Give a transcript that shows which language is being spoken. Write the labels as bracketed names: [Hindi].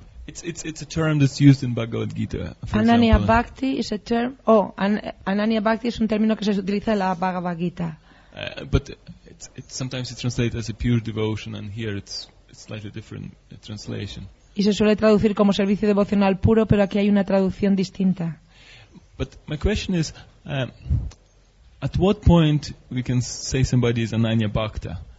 [English] It's a term that's used in Bhagavad Gita. Ananya Bhakti is a term. Oh, [Spanish] Ananya Bhakti es un término que se utiliza en la Bhagavad Gita. [English] But it's sometimes it's translated as a pure devotion, and here it's slightly different translation. [Spanish] Y se suele traducir como servicio devocional puro, pero aquí hay una traducción distinta. [English] But my question is, at what point we can say somebody is Ananya Bhakta?